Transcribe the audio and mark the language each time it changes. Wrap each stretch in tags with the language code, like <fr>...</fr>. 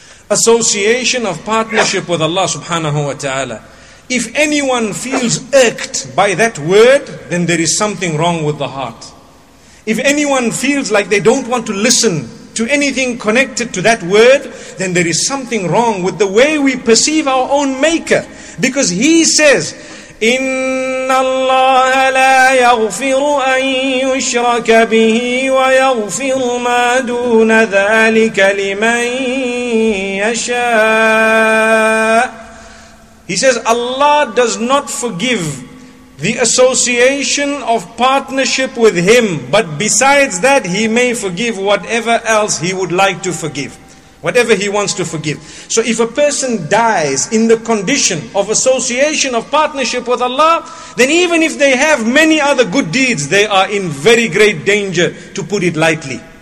<en>Association of partnership with Allah subhanahu wa ta'ala. If anyone feels irked by that word, then there is something wrong with the heart. If anyone feels like they don't want to listen to anything connected to that word, then there is something wrong with the way we perceive our own maker. Because he says,</en> <ar>إِنَّ اللَّهَ لَا يَغْفِرُ أَن يُشْرَكَ بِهِ وَيَغْفِرُ مَا دُونَ ذَٰلِكَ لِمَن يَشَاءُ.</ar> <en>He says, Allah does not forgive the association of partnership with Him, but besides that, He may forgive whatever else He would like to forgive, whatever He wants to forgive. So if a person dies in the condition of association of partnership with Allah, then even if they have many other good deeds, they are in very great danger, to put it lightly.</en>